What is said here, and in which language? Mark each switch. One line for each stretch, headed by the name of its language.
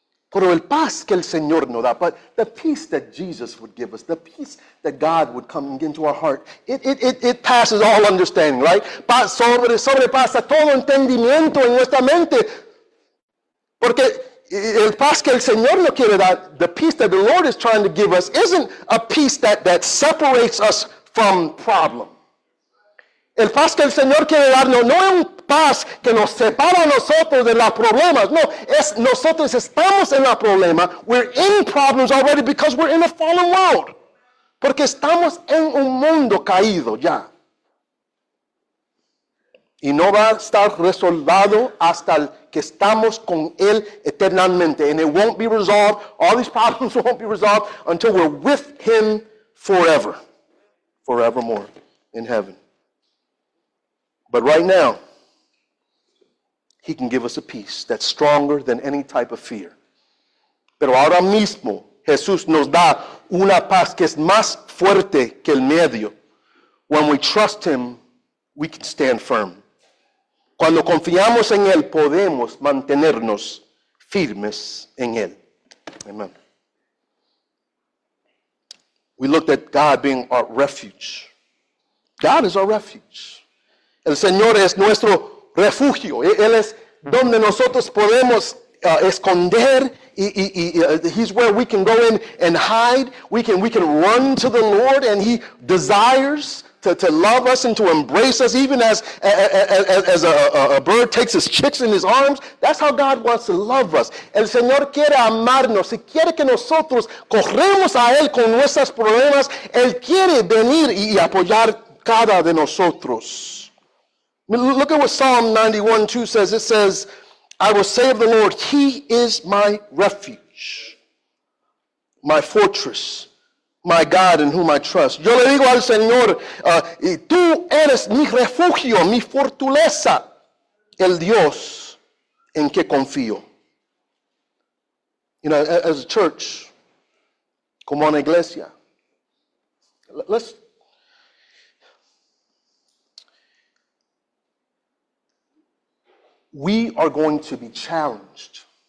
Spanish: Pero el paz que el Señor nos da,
English: but the peace that Jesus would give us, the peace that God would come into our heart, it passes all understanding, right?
Spanish: Sobrepasa todo entendimiento en nuestra mente. Porque el paz que el Señor nos quiere dar,
English: the peace that the Lord is trying to give us, isn't a peace that separates us from problem.
Spanish: El paz que el Señor quiere darnos no es un paz que nos separa a nosotros de los problemas. No, es nosotros estamos en el problema.
English: We're in problems already because we're in a fallen world.
Spanish: Porque estamos en un mundo caído ya. Y no va a estar resolvido hasta que estamos con Él eternamente.
English: And it won't be resolved. All these problems won't be resolved until we're with Him forever. Forevermore in heaven. But right now, He can give us a peace that's stronger than any type of fear.
Spanish: Pero ahora mismo, Jesús nos da una paz que es más fuerte que el miedo.
English: When we trust Him, we can stand firm.
Spanish: Cuando confiamos en Él, podemos mantenernos firmes en Él.
English: Amen. We looked at God being our refuge. God is our refuge.
Spanish: El Señor es nuestro refugio. Él es donde nosotros podemos esconder.
English: He's where we can go in and hide. We can run to the Lord, and He desires to love us and to embrace us, even as a bird takes his chicks in his arms. That's how God wants to love us.
Spanish: El Señor quiere amarnos y quiere que nosotros corremos a Él con nuestros problemas. Él quiere venir y apoyar cada de nosotros.
English: Look at what Psalm 91:2 says. It says, I will say of the Lord, He is my refuge, my fortress, my God in whom I trust.
Spanish: Yo le digo al Señor, tú eres mi refugio, mi fortaleza, el Dios en que confío.
English: You know, as a church,
Spanish: como una iglesia,
English: we are going to be challenged.